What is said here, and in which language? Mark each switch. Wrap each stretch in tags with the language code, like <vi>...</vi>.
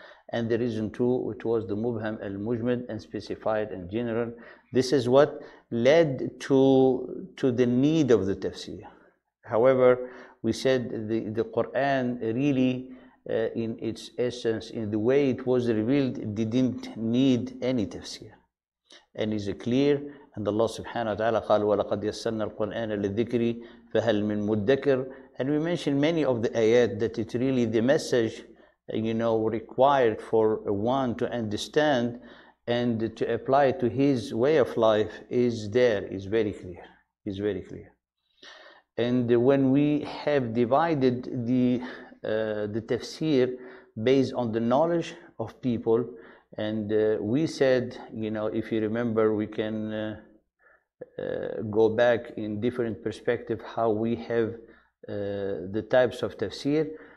<en>And the reason two, it was the Mubham, Al-Mujmad, and specified and general. This is what led to the need of the Tafsir. However, we said the Quran really, in its essence, in the way it was revealed, didn't need any Tafsir. And is it clear? And Allah subhanahu wa ta'ala</en> <ar>قال وَلَقَدْ يَسَّنَّ الْقُرْآنَ لِلذِّكْرِ فَهَلْ مِن مُدَّكِرٍ.</ar> <en>And we mentioned many of the ayat that it really, the message, you know, required for one to understand and to apply to his way of life is there, is very clear, is very clear. And when we have divided the Tafsir based on the knowledge of people, and we said, you know, if you remember, we can go back in different perspective how we have the types of Tafsir.</en>